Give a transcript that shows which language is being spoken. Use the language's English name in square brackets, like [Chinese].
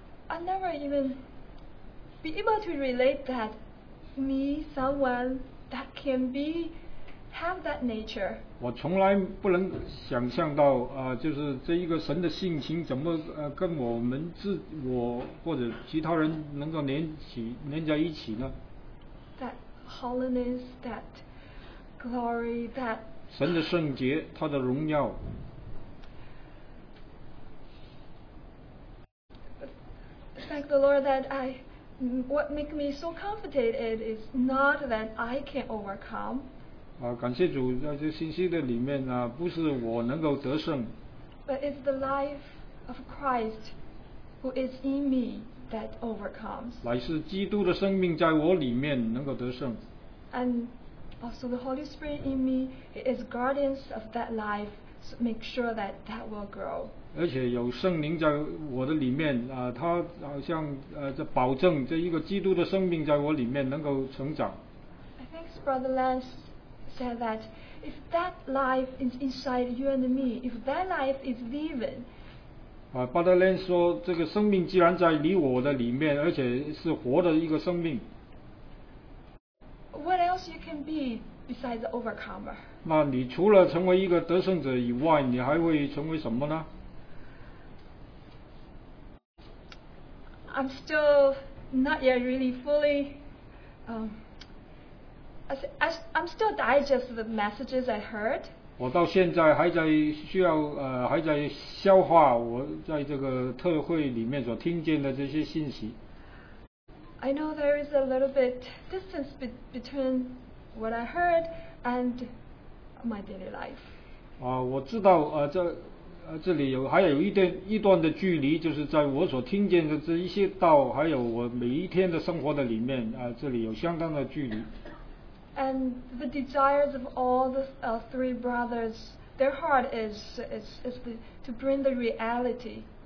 [English] I never even be able to relate that me, someone that can be have that nature. [Chinese] 我从来不能想象到就是这一个神的性情怎么跟我们我或者其他人能够连在一起呢？ [English] That holiness, that glory, that [Chinese] 神的圣洁，他的荣耀。 [English] Thank the Lord that I, what makes me so comforted is not that I can overcome. [Chinese] 啊，感谢主，在这信息的里面啊，不是我能够得胜。 [English] But it's the life of Christ who is in me that overcomes. [Chinese] 乃是基督的生命在我里面能够得胜。 [English] And also the Holy Spirit in me is guardians of that life, so make sure that will grow. [Chinese] 而且有圣灵在我的里面他好像这保证这一个基督的生命在我里面能够成长。 [English] I think Brother Lance said that if that life is inside you and me, if that life is living. [Chinese] Brother Lance 说这个生命既然在你我的里面，而且是活的一个生命。 [English] What else you can be besides the overcomer? [Chinese] 那你除了成为一个得胜者以外，你还会成为什么呢？ [English] I'm still not yet really fully. I'm still digest the messages I heard. [Chinese] 我到现在还在需要还在消化我在这个特会里面所听见的这些信息。 [English] I know there is a little bit distance between what I heard and my daily life. [Chinese] 我知道这里有还有一段的距离，就是在我所听见的这一些道，还有我每一天的生活的里面这里有相当的距离。 [English] And the desires of all the three brothers, their heart is the, to bring the reality.